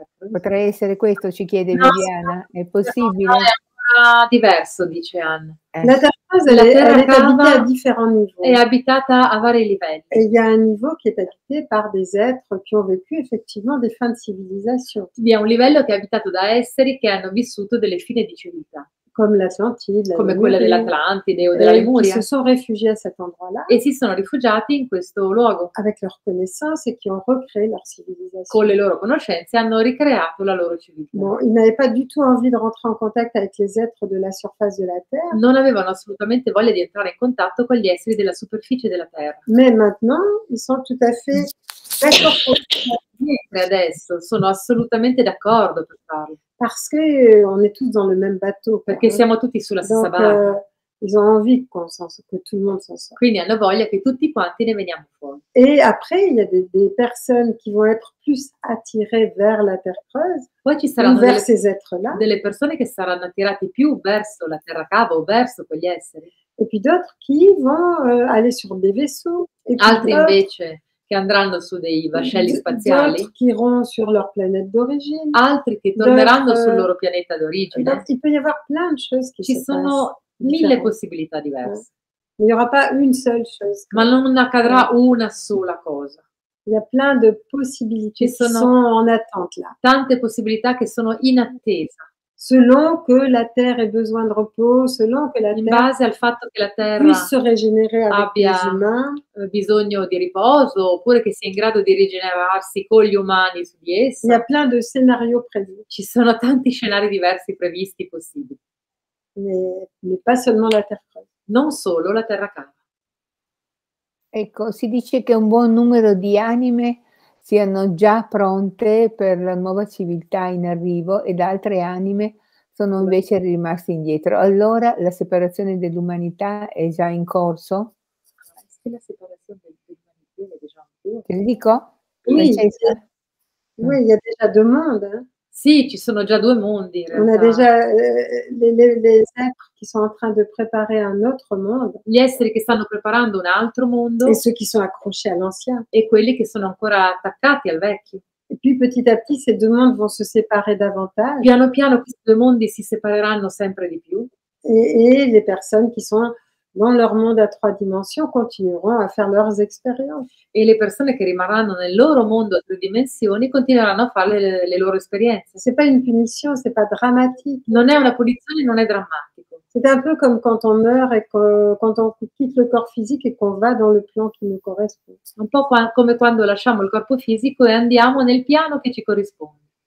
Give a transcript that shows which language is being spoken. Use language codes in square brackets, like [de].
[it] Potrei essere questo, ci chiede Viviana. È possibile? È ancora diverso, dice Anna. La terra cava è abitata a differenti livelli. È abitata a vari livelli. E il livello che è abitato [fr] par des êtres qui ont vécu effectivement des fins de civilisation. [it] Vi è un livello che è abitato da esseri che hanno vissuto delle fine di civiltà. Come l'Atlantide. Come quella dell'Atlantide o della Lemuria. E si sono rifugiati [fr] a cet endroit-là. [it] E si sono rifugiati in questo luogo. [fr] Avec leur connaissance et qui ont recréé leur civilisation. [it] Con le loro conoscenze hanno ricreato la loro civiltà. [fr] Bon, ils n'avaient pas du tout envie de rentrer en contact avec les êtres de la surface de la Terre. [it] Non avevano assolutamente voglia di entrare in contatto con gli esseri della superficie della Terra. [fr] Mais maintenant, ils sont tout à fait d'accord pour [it] dire adesso, sono assolutamente d'accordo per farlo. [fr] Parce que on est tous dans le même bateau. [it] Perché siamo tutti sulla stessa barca. [fr] Ils ont envie qu'on s'en sorte, que tout le monde s'en sorte. [it] Quindi hanno voglia che tutti quanti ne veniamo fuori. [fr] Et après, il y a des personnes qui vont être plus attirées vers la terre creuse. [it] Poi ci saranno [fr] vers ces êtres-là. [it] Delle persone che saranno attirate più verso la terra cava o verso quegli esseri. [fr] Et puis d'autres qui vont aller sur des vaisseaux. Et [it] altri invece che andranno su dei vascelli spaziali, [fr] qui iront sur leur planète d'origine, [it] altri che torneranno sul loro pianeta d'origine. [fr] Il peut y avoir plein de choses qui [it] ci sono mille possibilità diverse. [fr] Il n'y aura pas une seule chose. [it] Ma non accadrà una sola cosa. [fr] Il y a plein de possibilités qui sont en attente là. [it] Tante possibilità che sono in attesa. [fr] Selon que la terre ait besoin de repos, selon que la [it] terre, in base al fatto che la terra [fr] puisse régénérer avec [it] abbia [fr] les humains, [it] bisogno di riposo, oppure che sia in grado di rigenerarsi con gli umani su di essa. [fr] Il y a plein de scénarios prévus. [it] Ci sono tanti scenari diversi previsti possibili. [fr] Mais pas seulement la terre creuse. [it] Non solo la terra cava. Ecco, si dice che un buon numero di anime siano già pronte per la nuova civiltà in arrivo ed altre anime sono invece rimaste indietro. Allora la separazione dell'umanità è già in corso? Sì, la separazione dell'umanità è già in corso. Te lo dico? Sì, [fr] il y a déjà deux mondes. [it] Sì, ci sono già due mondi. [fr] On a déjà les êtres qui sont en train de préparer un autre monde. [it] Gli esseri che stanno preparando un altro mondo. [fr] Et ceux qui sont accrochés à l'ancien. [it] E quelli che sono ancora attaccati al vecchio. [fr] Et puis petit à petit, ces deux mondes vont se séparer davantage. [it] Piano piano questi due mondi si separeranno sempre di più. [fr] Et les personnes qui sont dans leur monde à trois dimensions continueront à faire leurs expériences. [it] E le persone che rimarranno nel loro mondo a due dimensioni continueranno a fare le loro esperienze. [fr] C'est pas une punition, c'est pas dramatique. [it] Non è una punizione, non è drammatico. [fr] C'est un peu comme quand on meurt et quand on quitte le corps physique et qu'on va dans le plan qui nous correspond. [it] Un po' come quando lasciamo il corpo fisico e andiamo nel piano che ci corrisponde.